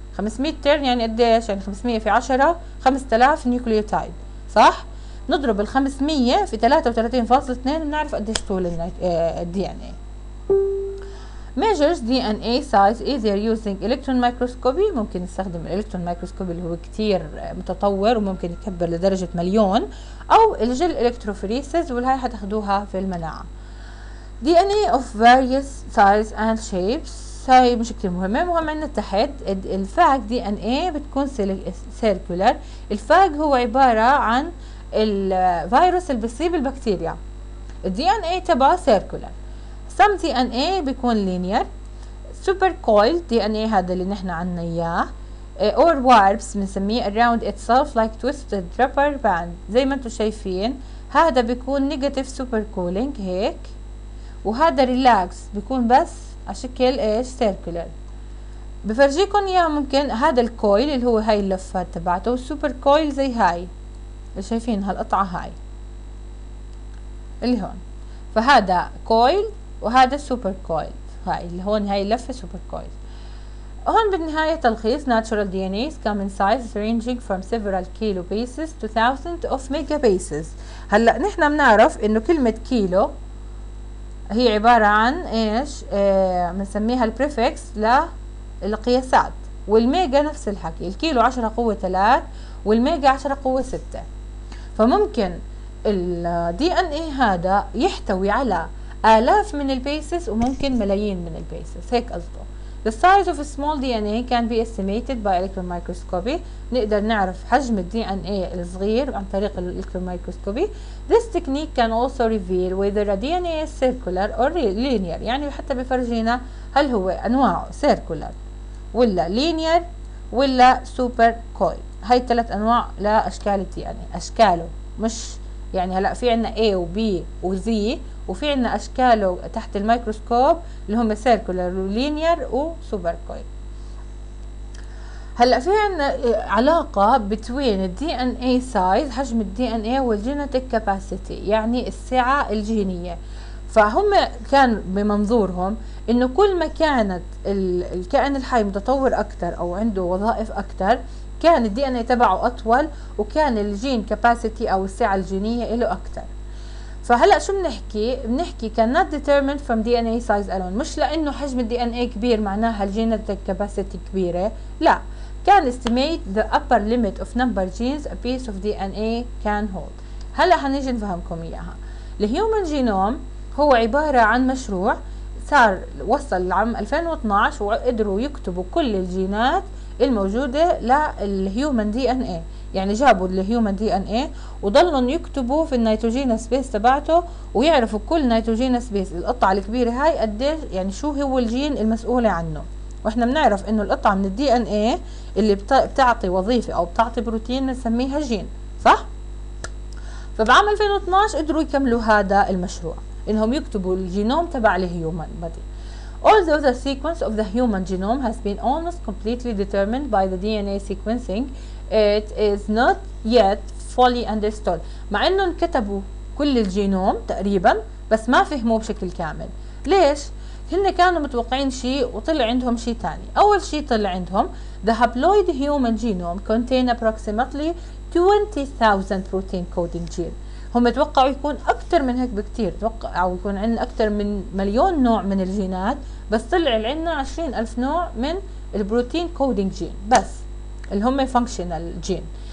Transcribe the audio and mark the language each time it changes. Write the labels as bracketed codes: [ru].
[ar] 500 ترن يعني قديش؟ يعني 500 في 10 5000 نيوكليوتايد, صح؟ نضرب الـ 500 في 33.2 ونعرف قديش طول الـ DNA. [en] measures DNA size either using electron microscopy. [ar] ممكن نستخدم الالكترون مايكروسكوبي اللي هو كتير متطور وممكن يكبر لدرجة مليون, أو الجل الكتروفريسز والهاي هتاخدوها في المناعة. [en] DNA of various size and shapes, [ar] هاي مش كتير مهمة. مهم عندنا تحت الفاج. [en] DNA بتكون circular. [ar] الفاج هو عبارة عن الفيروس اللي بيصيب البكتيريا. [en] DNA تبعه circular. Some DNA بيكون linear. Super coiled DNA [ar] هذا اللي نحن عنا إياه. [en] Or warps بنسميه around itself like twisted rubber band. [ar] زي ما انتو شايفين هذا بيكون negative super cooling هيك, وهذا relax بيكون بس على شكل إيش circular. بفرجيكم إياه. ممكن هذا الكويل اللي هو هاي اللفات تبعته, والسوبر كويل زي هاي اللي شايفين هالقطعة هاي اللي هون. فهذا كويل وهذا سوبر كويل. هاي اللي هون هاي لفة سوبر كويل. هون بالنهاية تلخيص. [en] natural DNA come in size ranging from several kilo bases to thousands of mega bases. [ar] هلأ نحنا بنعرف انه كلمة كيلو هي عبارة عن ايش بنسميها البريفكس للقياسات, والميجا نفس الحكي. الكيلو 10 قوة 3 والميجا 10 قوة 6. فممكن الـ DNA هذا يحتوي على آلاف من البيسز وممكن ملايين من البيسز. هيك قصده. [en] The size of a small DNA can be estimated by electron microscopy. [ar] نقدر نعرف حجم الـ DNA الصغير عن طريق الـ electron microscopy. [en] This technique can also reveal whether a DNA is circular or linear. [ar] يعني حتى بفرجينا هل هو أنواعه circular ولا linear ولا super coil. هاي ثلاث أنواع لأشكال الـ DNA. أشكاله مش يعني هلأ في عنا A و B و Z, وفي عنا أشكاله تحت الميكروسكوب اللي هم سيركولر ولينير وسوبر كويل. هلأ في عنا علاقة بين الـ DNA size, حجم الـ DNA والجينيتك كاباسيتي, يعني السعة الجينية. فهم كان بمنظورهم انه كل ما كانت الكائن الحي متطور أكتر أو عنده وظائف أكتر كان الـ DNA تبعه أطول, وكان الجين كاباسيتي أو السعة الجينية له أكتر. فهلا شو بنحكي؟ بنحكي [en] can not determine from DNA size alone، [ar] مش لانه حجم الدي ان اي كبير معناها الجينيتك كاباسيتي كبيره، لا، [en] can estimate the upper limit of number genes a piece of DNA can hold. [ar] هلا حنيجي نفهمكم اياها. الهيومن جينوم هو عباره عن مشروع صار وصل لعام 2012 وقدروا يكتبوا كل الجينات الموجوده للهيومن دي ان اي، يعني جابوا الهيومن دي ان اي وضلوا يكتبوا في النيتروجين سبيس تبعته ويعرفوا كل نيتروجين سبيس القطعه الكبيره هاي قديش، يعني شو هو الجين المسؤوله عنه. واحنا بنعرف انه القطعه من الدي ان اي اللي بتعطي وظيفه او بتعطي بروتين بنسميها جين، صح؟ فبعام 2012 قدروا يكملوا هذا المشروع انهم يكتبوا الجينوم تبع الهيومن بدي. [en] Although the sequence of the human genome has been almost completely determined by the DNA sequencing, it is not yet fully understood. [ar] مع انه انكتبوا كل الجينوم تقريبا بس ما فهموا بشكل كامل. ليش؟ هن كانوا متوقعين شيء وطلع عندهم شيء تاني. اول شيء طلع عندهم [en] the haploid human genome contain approximately 20,000 protein coding gene. [ar] هم توقعوا يكون اكثر من هيك بكثير، توقعوا يكون عندنا اكثر من مليون نوع من الجينات، بس طلع عندنا 20,000 نوع من البروتين كودينج جين بس اللي هم فانكشنال جين.